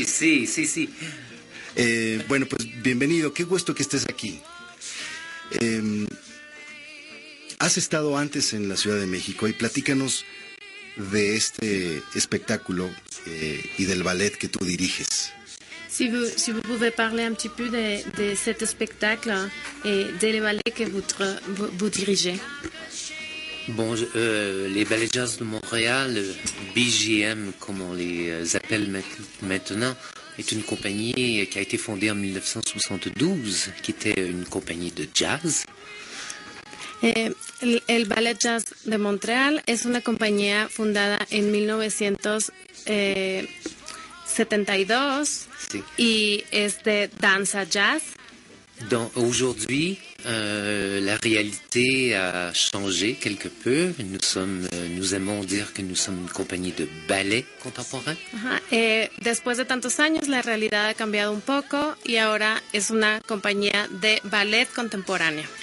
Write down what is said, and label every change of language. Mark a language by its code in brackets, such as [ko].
[es] Sí. Bueno, pues bienvenido. Qué gusto que estés aquí. Has estado antes en la Ciudad de México y platícanos de este espectáculo y del ballet que tú diriges. [fr] Si vous pouvez parler un petit peu de cet spectacle et de le ballet que vous dirigez. Bon, les Ballets Jazz de Montréal, BJM, comme on les appelle maintenant, est une compagnie qui a été fondée en 1972, qui était une compagnie de jazz. [es] El Ballet Jazz de Montréal es una compañía fundada en 1972, sí. Y es de danza jazz. [fr] Donc aujourd'hui, la réalité a changé quelque peu. Nous aimons dire que nous sommes une compagnie de ballet contemporain. [es] Después de tantos años, la realidad ha cambiado un poco y ahora es una compañía de ballet contemporáneo.